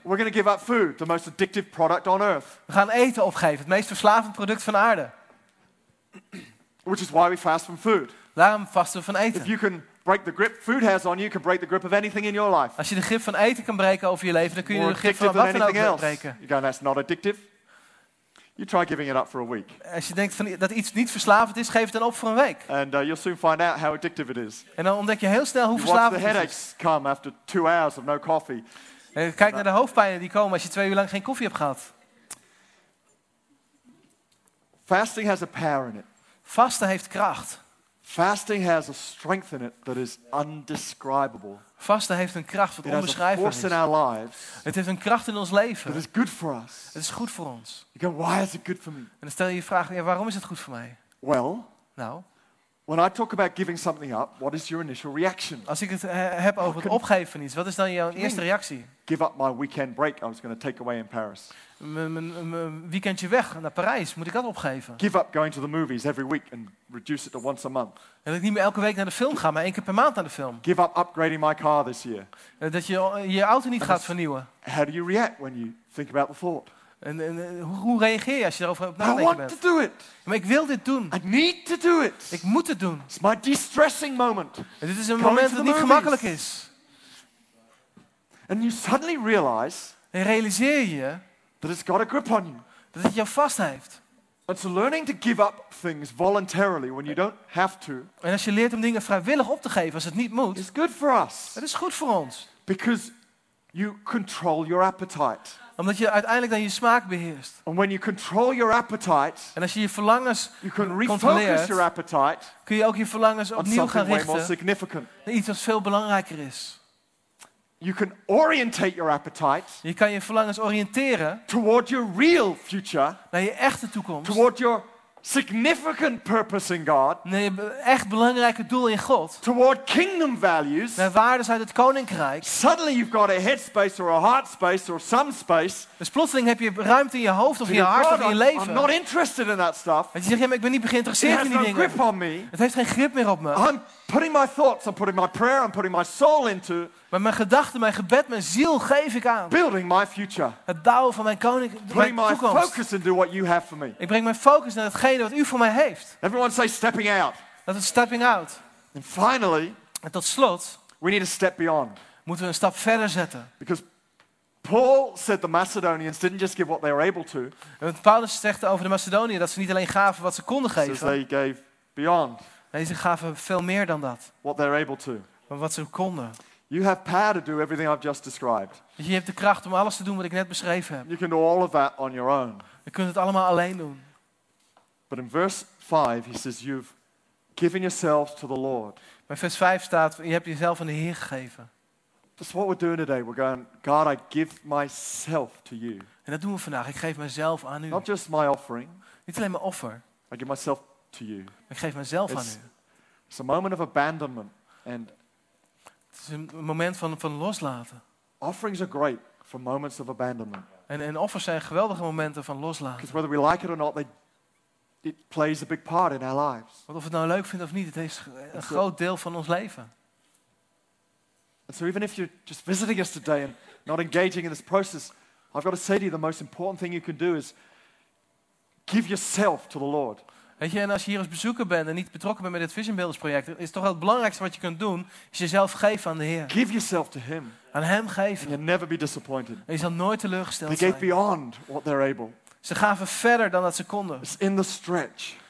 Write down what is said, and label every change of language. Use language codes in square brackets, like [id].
[en] We're going to give up food, the most addictive product on earth. [nl] We gaan eten opgeven, het meest verslavend product van aarde. [en] Which is why we fast from food. [nl] Daarom vasten we van eten. [en] If you can break the grip food has on you, you can break the grip of anything in your life. [nl] Als je de grip van eten kan breken over je leven, dan kun je de grip van wat dan ook breken. [en] You go, that's not addictive. You try giving it up for a week. [nl] Als je denkt dat iets niet verslavend is, geef het dan op voor een week. [en] And you'll soon find out how addictive it is. [nl] En dan ontdek je heel snel hoe verslavend het is. [en] You watch the headaches come after 2 hours of no coffee. [nl] En kijk naar de hoofdpijnen die komen als je 2 uur lang geen koffie hebt gehad. [en] Fasting has a power in it. [nl] Vasten heeft kracht. [en] Fasting has a strength in it that is indescribable. [nl] Vasten heeft een kracht wat onbeschrijfbaar is. [en] In our lives, [nl] het heeft een kracht in ons leven. [en] It is good for us. [nl] Het is goed voor ons. [en] You go, why is it good for me? [nl] En dan stel je je vraag, ja, waarom is het goed voor mij? [en] Well, [nl] nou, [en] when I talk about giving something up, what is your initial reaction? [nl] Als ik het heb over het opgeven van iets, wat is dan jouw eerste reactie? [en] Give up my weekend break I was going to take away in Paris. [nl] Mijn weekendje weg naar Parijs, moet ik dat opgeven? [en] Give up going to the movies every week and reduce it to once a month. [nl] En dat ik niet meer elke week naar de film ga, maar 1 keer per maand naar de film. [en] Give up upgrading my car this year. [nl] Dat je je auto niet gaat vernieuwen. [en] How do you react when you think about the thought? [nl] En hoe reageer je als je erover op nadenken bent? [en] I want to do it. [nl] Maar ik wil dit doen. [en] I need to do it. [nl] Ik moet het doen. [en] It's my de-stressing moment. [nl] En dit is een moment dat niet gemakkelijk is. [en] And you suddenly realize. [nl] En realiseer je. [en] That it's got a grip on you. [nl] Dat het jou vast heeft. [en] It's learning to give up things voluntarily when you don't have to. [nl] En als je leert om dingen vrijwillig op te geven als het niet moet. [en] It's good for us. [nl] Het is goed voor ons. [en] Because you control your appetite. [nl] Omdat je uiteindelijk dan je smaak beheerst. [en] And when you control your appetite. [nl] En als je je verlangens [en] you can refocus your appetite. [nl] Kun je ook je verlangens opnieuw gaan richten. [en] On something way more significant. [nl] Naar iets wat veel belangrijker is. [en] You can orientate your appetite. [nl] Je kan je verlangens oriënteren [en] toward your real future. [nl] Naar je echte toekomst. [en] Toward your significant purpose in God. [nl] Nee, echt belangrijke doel in God. [en] Toward kingdom values. [nl] Naar waarden uit het koninkrijk. [en] Suddenly you've got a head space or a heart space or some space. [nl] Dus plotseling heb je ruimte in je hoofd of in je hart of in je leven. [en] I'm not interested in that stuff. [nl] Want je zegt, ja, maar ik ben niet geïnteresseerd in die dingen. [en] It has no grip on me. [nl] Het heeft geen grip meer op me. [en] I'm putting my thoughts, I'm putting my prayer, I'm putting my soul into. [nl] Maar mijn gedachten, mijn gebed, mijn ziel geef ik aan. [en] Building my future. [nl] Het bouwen van mijn koninkrijk. [en] Putting my focus into what you have for me. [nl] Ik breng mijn focus naar hetgene wat u voor mij heeft. [en] Everyone say stepping out. [nl] Dat is [en] stepping out. And finally. [nl] En tot slot. [en] We need a step beyond. [nl] Moeten we een stap verder zetten. [en] Because Paul said the Macedonians didn't just give what they were able to. [nl] Want Paulus zegt over de Macedoniërs dat ze niet alleen gaven wat ze konden geven. [en] So they gave beyond. [nl] Nee, ze gaven veel meer dan dat. [en] What they're able to. [nl] Maar wat ze konden. [en] You have power to do everything I've just described. [nl] Je hebt de kracht om alles te doen wat ik net beschreven heb. [en] You can do all of that on your own. [nl] Je kunt het allemaal alleen doen. [en] But in verse 5 he says you've given yourself to the Lord. [nl] Maar vers 5 staat je hebt jezelf aan de Heer gegeven. [en] That's what we're doing today. We're going, God, I give myself to you. [nl] En dat doen we vandaag. Ik geef mezelf aan u. [en] Not just my offering. [nl] Niet alleen mijn offer. [en] I give myself to you. [nl] Ik geef mezelf aan u. [en] It's a moment of abandonment and [nl] het is een moment van loslaten. [en] Offerings are great for moments of abandonment. [nl] En offers zijn geweldige momenten van loslaten. [en] Because whether we like it or not, it plays a big part in our lives. [nl] Want of het nou leuk vindt of niet, het heeft een groot deel van ons leven. [en] And so even if you're just visiting us today and not engaging in this process, I've got to say to you the most important thing you can do is give yourself to the Lord. [nl] Weet je, en als je hier als bezoeker bent en niet betrokken bent met dit Vision Builders project, is het toch wel het belangrijkste wat je kunt doen, is jezelf geven aan de Heer. [en] Give yourself to him. [nl] Aan hem geven. [en] And you'll never be disappointed. [nl] En je zal nooit teleurgesteld zijn. [en] They gave beyond what they're able. Ze gaven verder dan dat ze konden. It's in the stretch.